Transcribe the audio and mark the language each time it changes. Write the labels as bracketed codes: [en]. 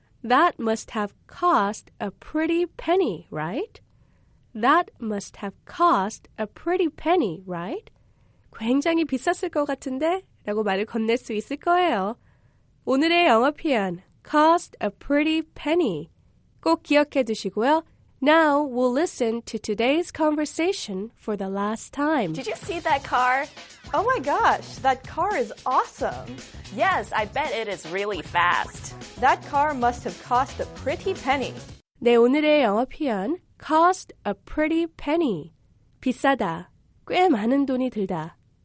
[en] That must have cost a pretty penny, right? That must have cost a pretty penny, right? [ko] 굉장히 비쌌을 것 같은데? 라고 말을 건넬 수 있을 거예요. 오늘의 영어 표현, [en] cost a pretty penny. [ko] 꼭 기억해 두시고요. [en] Now we'll listen to today's conversation for the last time. Did you see that car? Oh my gosh, that car is awesome. Yes, I bet it is really fast. That car must have cost a pretty penny. [ko] 네, 오늘의 영어 표현, [en] cost a pretty penny. [ko] 비싸다, 꽤 많은 돈이 들다.